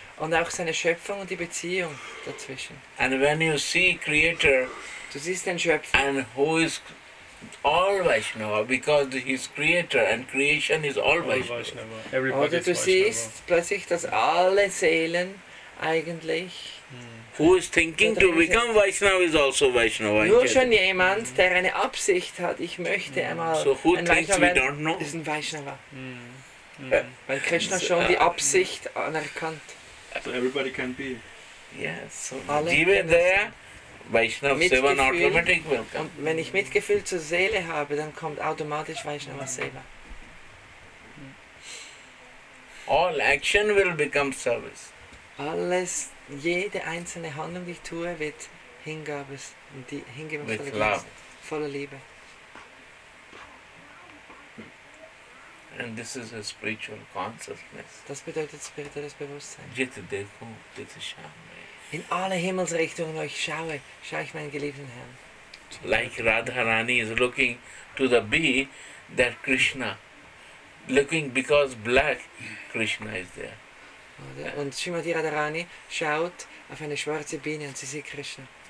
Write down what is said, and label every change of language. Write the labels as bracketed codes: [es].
[de] Und auch seine Schöpfung und die Beziehung dazwischen. [en] And when you see Creator, [de] du siehst den Schöpfer. [en] And who is all Vaishnava, because his creator and creation is all Vaishnava. Everybody [de] oder du siehst plötzlich, dass alle Seelen eigentlich... [en] Who is thinking to become Vaishnava is also Vaishnava. [de] Nur schon jemand, der eine Absicht hat, ich möchte einmal [en] so who [de] ein Vaishnava [en] we don't know? [de] Ist ein Vaishnava. Weil Krishna schon die Absicht anerkannt. [en] So everybody can be. Yes, so alle Jive there. Vaishnava Seva automatic will come. [de] Wenn ich Mitgefühl zur Seele habe, dann kommt automatisch Vaishnava Seva. [en] All action will become service. [de] Alles, jede einzelne Handlung, die ich tue, wird Hingabe, die Hingabe [en] with [de] voller [en] love. [de] Voller Liebe. [en] And this is a spiritual consciousness. [de] Das bedeutet spirituelles Bewusstsein. [hi] Jitte Deku, Jitte Shama. [de] In alle Himmelsrichtungen euch schaue, schaue ich meinen geliebten Herrn. [en] Like Radharani is looking to the bee, that Krishna. Looking because black, Krishna is there. [de] Und Srimati Radharani schaut auf eine schwarze Biene und sie sieht Krishna.